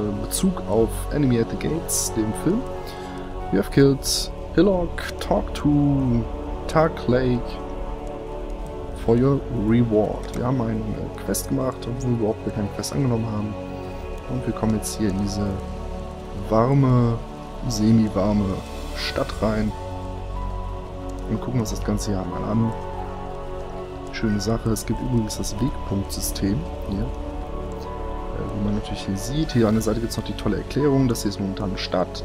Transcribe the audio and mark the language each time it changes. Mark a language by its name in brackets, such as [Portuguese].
[German] Bezug auf Enemy at the Gates, dem Film. [English] We have killed Hillock, talk to Tark Lake for your reward. [German] Wir haben einen Quest gemacht, obwohl wir überhaupt keine Quest angenommen haben. Und wir kommen jetzt hier in diese warme, semi-warme Stadt rein und gucken uns das Ganze hier einmal an. Schöne Sache, es gibt übrigens das Wegpunktsystem hier. Wie man natürlich hier sieht, hier an der Seite gibt es noch die tolle Erklärung, das hier ist momentan eine Stadt.